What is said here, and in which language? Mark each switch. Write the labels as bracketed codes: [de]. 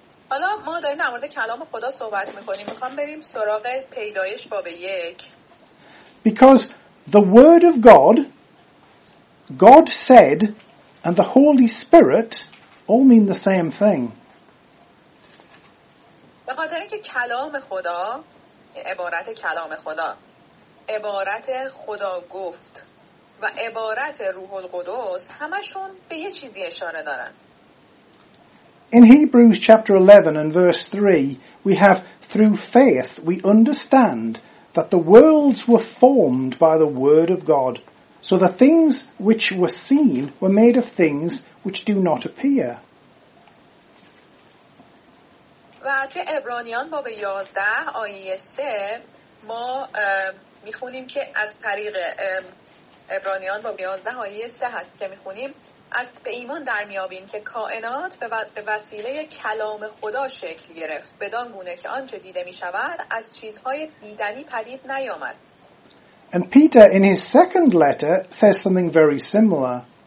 [en] Because the word of God, God said, and the Holy Spirit all mean the same thing. [fa] به خاطر اینکه کلام خدا، عبارت کلام خدا، عبارت خدا گفت و عبارت روح القدس همشون به یه چیزی اشاره دارن. [en] In Hebrews chapter 11 and verse 3 we have through faith we understand that the worlds were formed by the word of God, so the things which were seen were made of things which do not appear. [fa] و توی عبرانیان باب 11 آیه 3 ما میخونیم که از طریق عبرانیان باب 11 آیه 3 هست که میخونیم از به ایمان درمیابیم که کائنات به وسیله کلام خدا شکل گرفت بدان گونه که آنچه دیده میشود از چیزهای دیدنی پدید نیامد. [en] And Peter in his second letter says something very similar.